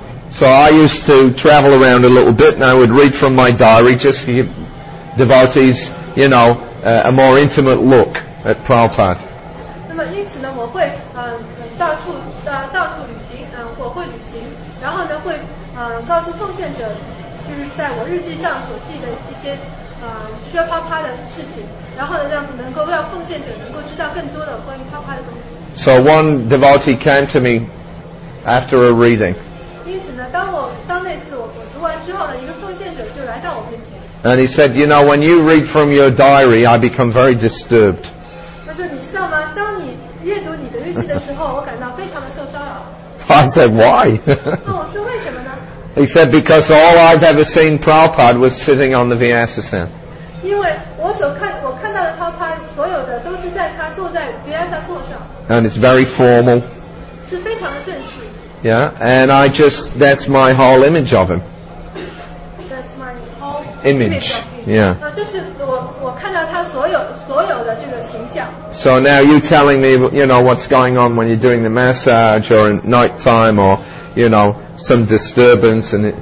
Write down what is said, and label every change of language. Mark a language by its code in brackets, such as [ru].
[en] So I used to travel around a little bit and I would read from my diary just to give devotees, you know, a more intimate look at Prabhupada. [zh] 我会到处到处旅行，我会旅行，然后呢会告诉奉献者，就是在我日记上所记的一些薛啪啪的事情，然后呢让奉献者能够知道更多的关于啪啪的东西。 [en] So one devotee came to me after a reading. [zh] 因此呢，当那次我读完之后呢，一个奉献者就来到我面前。 [en] And he said, you know, when you read from your diary, I become very disturbed. [zh] 他说，你知道吗？当你阅读你的日记的时候，我感到非常的受骚扰。 [en] I said, why? [zh] 我说为什么呢？ [en] He said, because all I've ever seen Prabhupada was sitting on the Vyasasan. [zh] 因为我看到的 Prabhupada 所有的都是在他坐在 Vyasasan 座上。 [en] And it's very formal. [zh] 是非常的正式。 [en] Yeah, and I just, that's my whole image of him. That's my whole image. Yeah. [zh] 就是我看到他所有的这个形象。 [en] So now you're telling me, you know, what's going on when you're doing the massage or in night time or, you know, some disturbance.